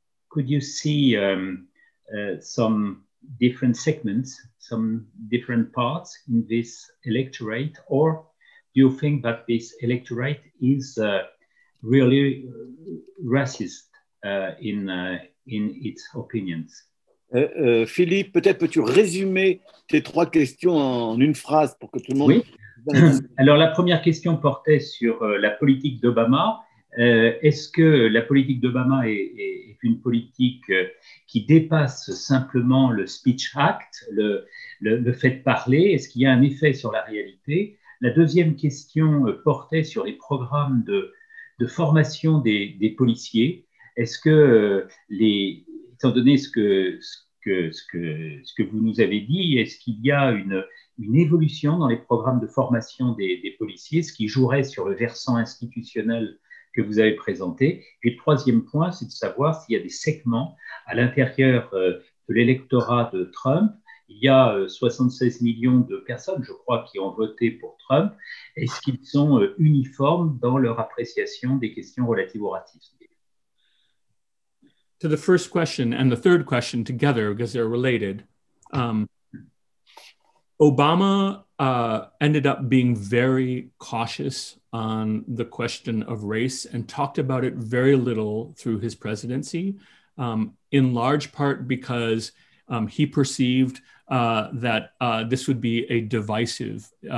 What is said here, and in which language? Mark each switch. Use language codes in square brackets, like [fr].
[en] Could you see some different segments, some different parts in this electorate, or do you think that this electorate is really racist in its opinions? [fr] Philippe, peut-être peux-tu résumer tes trois questions en une phrase pour que tout le monde... Oui. Alors, la première question portait sur la politique d'Obama. Est-ce que la politique d'Obama est une politique qui dépasse simplement le speech act, le fait de parler? Est-ce qu'il y a un effet sur la réalité? La deuxième question portait sur les programmes de formation des policiers. Est-ce que les... Étant donné ce que vous nous avez dit, est-ce qu'il y a une évolution dans les programmes de formation des policiers, ce qui jouerait sur le versant institutionnel que vous avez présenté? Puis le troisième point, c'est de savoir s'il y a des segments à l'intérieur de l'électorat de Trump. Il y a 76 millions de personnes, je crois, qui ont voté pour Trump. Est-ce qu'ils sont uniformes dans leur appréciation des questions relatives au racisme? [en] To the first question and the third question together, because they're related, Obama ended up being very cautious on the question of race and talked about it very little through his presidency, in large part because he perceived that this would be a divisive